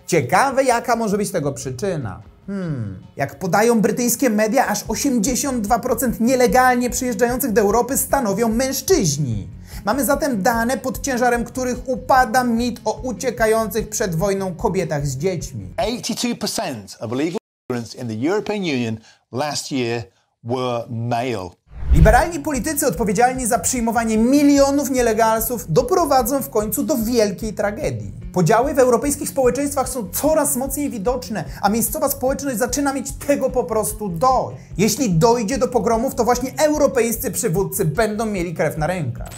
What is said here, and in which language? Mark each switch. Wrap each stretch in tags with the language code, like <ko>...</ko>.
<pl>Ciekawe, jaka może być tego przyczyna. Jak podają brytyjskie media, aż 82% nielegalnie przyjeżdżających do Europy stanowią mężczyźni. Mamy zatem dane, pod ciężarem których upada mit o uciekających przed wojną kobietach z dziećmi.</pl> <en>82% of illegal immigrants in the European Union last year were male.</en> <pl>Liberalni politycy odpowiedzialni za przyjmowanie milionów nielegalsów doprowadzą w końcu do wielkiej tragedii. Podziały w europejskich społeczeństwach są coraz mocniej widoczne, a miejscowa społeczność zaczyna mieć tego po prostu dość. Jeśli dojdzie do pogromów, to właśnie europejscy przywódcy będą mieli krew na rękach.</pl>